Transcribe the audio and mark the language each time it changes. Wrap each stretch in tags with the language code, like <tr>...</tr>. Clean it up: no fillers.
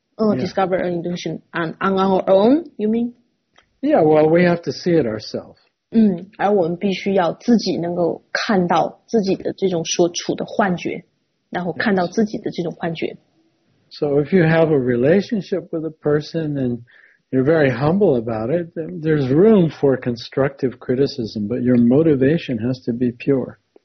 <en>Discover an illusion on our own, you mean? Yeah, well, we have to see it ourselves.</en> <zh>而我们必须要自己能够看到自己的这种所处的幻觉，然后看到自己的这种幻觉。</zh> <en>So if you have a relationship with a person and you're very humble about it, then there's room for constructive criticism, but your motivation has to be pure.</en>